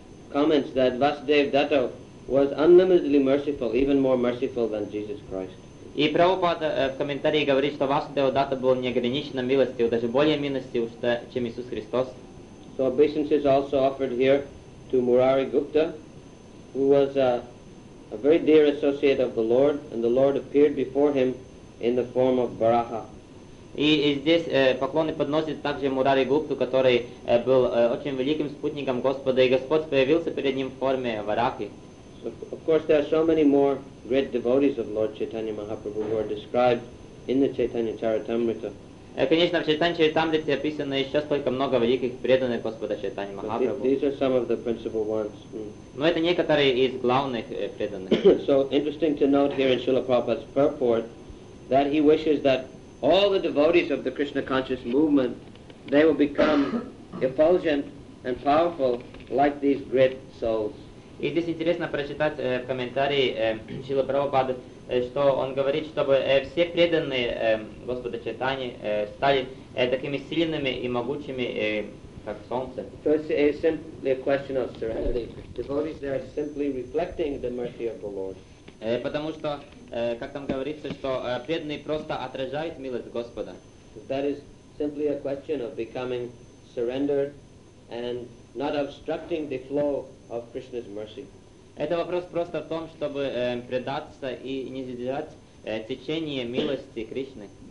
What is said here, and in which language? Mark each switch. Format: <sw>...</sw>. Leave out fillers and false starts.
<en>Comments that Vasudev Datta was unlimitedly merciful, even more merciful than Jesus Christ.</en> <ru>И Прабхупада в комментарии говорит, что Васудев Датта был неограниченно милостив, даже более милостив, чем Иисус Христос.</ru> <en>So obeisances also offered here to Murari Gupta, who was a very dear associate of the Lord, and the Lord appeared before him in the form of Varaha.</en> <ru>И здесь поклоны подносит также Мурари Гупту, который был очень великим спутником Господа, и Господь появился перед ним в форме Варахи.</ru> <en>So, of course, there are so many more great devotees of Lord Chaitanya Mahaprabhu who are described in the Chaitanya Charitamrita.</en> <ru>Конечно, в Чайтанья Чаритамрите описано еще столько много великих преданных Господа Чайтанья Махапрабху.</ru> <en>These are some of the principal ones.</en> <ru>Но это некоторые из главных преданных.</ru> <en>So, interesting to note here in Srila Prabhupada's purport that he wishes that all the devotees of the Krishna conscious movement, they will become effulgent and powerful like these great souls.</en> <ru>И здесь интересно прочитать в комментарии Шрилы Прабхупады, что он говорит, чтобы все преданные Господа Чайтаньи стали такими сильными и могучими, как солнце.</ru> <en>So it's simply a question of serenity. Devotees, they are simply reflecting the mercy of the Lord.</en> <ru>Потому что, как там говорится, что преданный просто отражает милость Господа.</ru> <en>That is simply a question of becoming surrendered and not obstructing the flow of Krishna's mercy.</en> <ru>Это вопрос просто в том, чтобы предаться и не задержать течение милости Кришны.</ru>